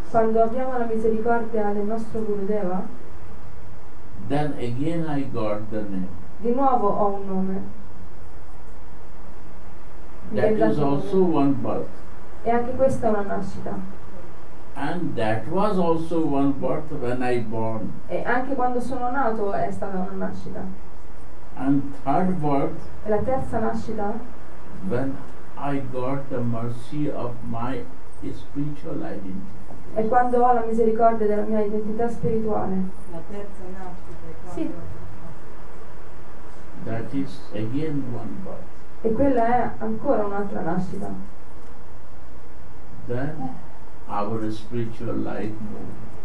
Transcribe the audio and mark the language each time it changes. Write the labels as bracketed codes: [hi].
[it] quando abbiamo la misericordia del nostro Gurudeva, [en] then again I got the name. [it] Di nuovo ho un nome. [en] That is also one birth. [it] E anche questa è una nascita. [en] And that was also one birth when I born. [it] E anche quando sono nato è stata una nascita. [en] And third birth. [it] E la terza nascita. [en] When I got the mercy of my spiritual identity. [it] E quando ho la misericordia della mia identità spirituale. La terza nascita. [en] Sì. That is again one birth. [it] E quella è ancora un'altra nascita. [en] Then. Our spiritual life moves.